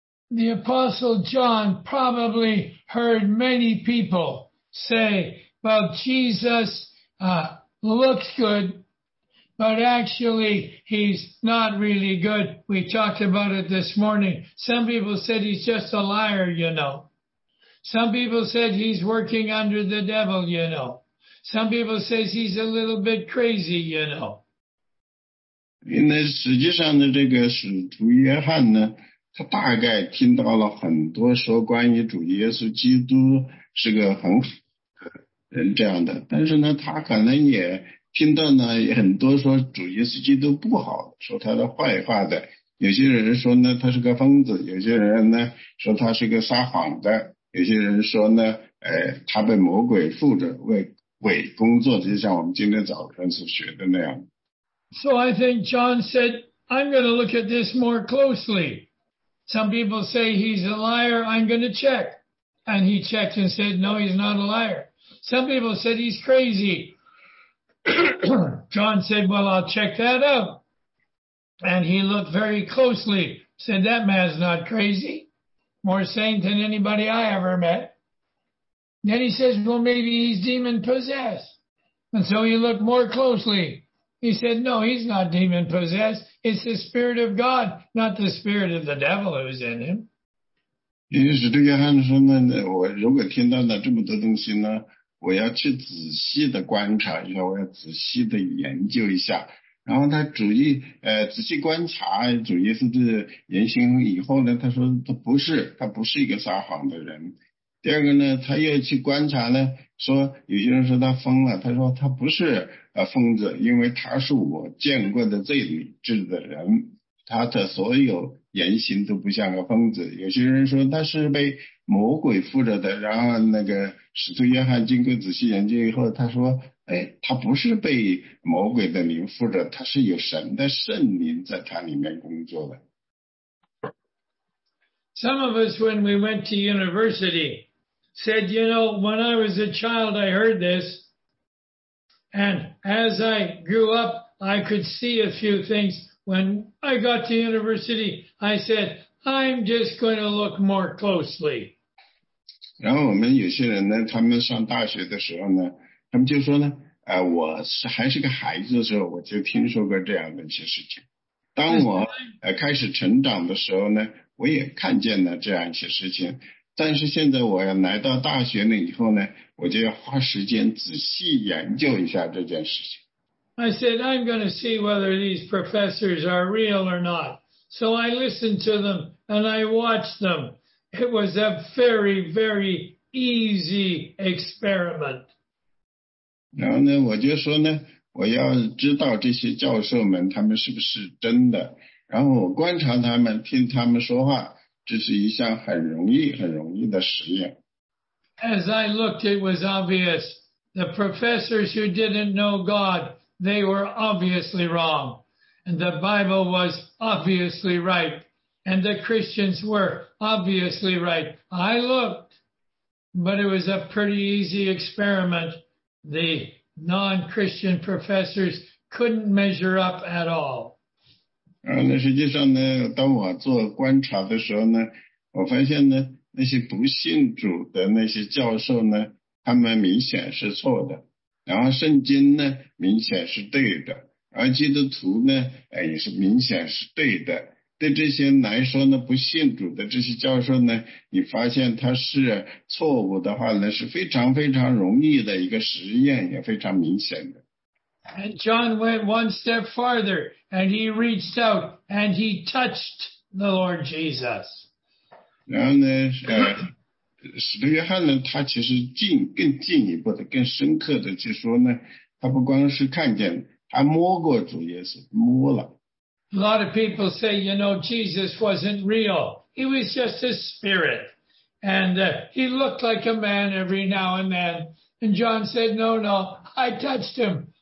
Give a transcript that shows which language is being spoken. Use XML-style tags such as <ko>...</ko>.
<en>The Apostle John probably heard many people say, well, Jesus looks good, but actually he's not really good. We talked about it this morning. Some people said he's just a liar, you know. Some people said he's working under the devil, you know. Some people say he's a little bit crazy, you know.</en> <zh>因为实际上呢，这个使徒约翰呢，他大概听到了很多说关于主耶稣基督是个很人这样的，但是呢，他可能也听到呢很多说主耶稣基督不好，说他的坏话的。有些人说呢他是个疯子，有些人呢说他是个撒谎的。有些人说呢，他被魔鬼附着，为鬼工作，就像我们今天早晨所学的那样。</zh> <en>So I think John said, I'm going to look at this more closely. Some people say he's a liar, I'm going to check. And he checked and said, no, he's not a liar. Some people said he's crazy. John said, well, I'll check that out. And he looked very closely, said, that man's not crazy. More sane than anybody I ever met. Then he says, well, maybe he's demon possessed. And so he looked more closely. He said, no, he's not demon possessed. It's the spirit of God, not the spirit of the devil who's in him.</en> <zh>因为使徒约翰说呢，我如果听到了这么多东西呢，我要去仔细的观察一下，我要仔细的研究一下。然后他主意仔细观察主耶稣的言行以后呢，他说他不是一个撒谎的人。第二个呢，他又去观察呢，说有些人说他疯了，他说他不是疯子，因为他是我见过的最理智的人，他的所有言行都不像个疯子。有些人说他是被魔鬼附着的，然后那个使徒约翰经过仔细研究以后，他说哎，他不是被魔鬼的灵附着，他是有神的圣灵在他里面工作的。</zh> <en>Some of us, when we went to university, said, you know, when I was a child, I heard this. And as I grew up, I could see a few things. When I got to university, I said, I'm just going to look more closely.</en> <zh>然后我们有些人呢，他们上大学的时候呢，他们就说呢，我是还是个孩子的时候，我就听说过这样的一些事情。当我开始成长的时候呢，我也看见了这样一些事情。但是现在我要来到大学了以后呢，我就要花时间仔细研究一下这件事情。</zh> <en>I said, I'm going to see whether these professors are real or not. So I listened to them and I watched them. It was a very, very easy experiment.</en> <zh>然后呢，我就说呢，我要知道这些教授们他们是不是真的。然后我观察他们，听他们说话，这是一项很容易、很容易的实验。</zh> <en>As I looked, it was obvious. The professors who didn't know God, they were obviously wrong. And the Bible was obviously right. And the Christians were obviously right. I looked, but it was a pretty easy experiment. The non-Christian professors couldn't measure up at all.</en> <zh>然后呢，实际上呢，当我做观察的时候呢，我发现呢，那些不信主的那些教授呢，他们明显是错的，然后圣经呢明显是对的，而基督徒呢，也是明显是对的。对这些来说呢，不信主的这些教授呢，你发现他是错误的话呢，是非常非常容易的一个实验，也非常明显的。</zh> <en>And John went one step farther, and he reached out, and he touched the Lord Jesus.</en> <zh>然后呢，使徒约翰呢，他其实更进一步的、更深刻的去说呢，他不光是看见，他摸过主耶稣，摸了。</zh> <en>A lot of people say, you know, Jesus wasn't real. He was just a spirit. And he looked like a man every now and then. And John said, no, no, I touched him.</en>